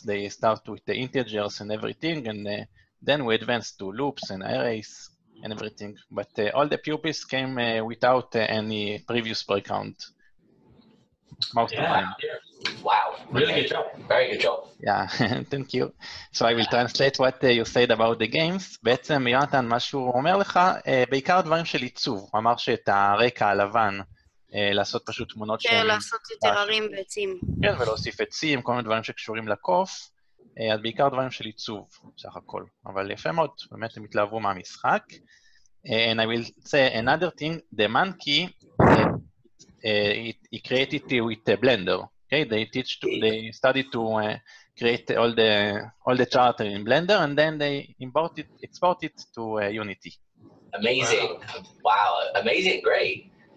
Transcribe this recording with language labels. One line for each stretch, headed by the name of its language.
English: They start with the integers and everything, and then we advanced to loops and arrays and everything. But all the pupils came without any previous background. Most yeah. Of them. Yeah. Wow, really okay. Good job. Very good job. Yeah, thank you. So I will translate what you said about the games.
Hebrew: בעצם, יונתן, מה שהוא אומר לך, בעיקר דברים של עיצוב. הוא אמר שאת הרקע הלבן, לעשות פשוט תמונות של... כן, לעשות יותר ערים ועצים. כן, ולהוסיף עצים, כל מיני דברים שקשורים לקוף. אז בעיקר דברים של עיצוב, סך הכל. אבל יפה מאוד, באמת הם התלהבו מהמשחק.
English: And I will say another thing, the monkey, he created it with a blender. Okay, they studied to create all the charter in Blender, and then they exported to Unity. Amazing! Wow! Amazing! Great!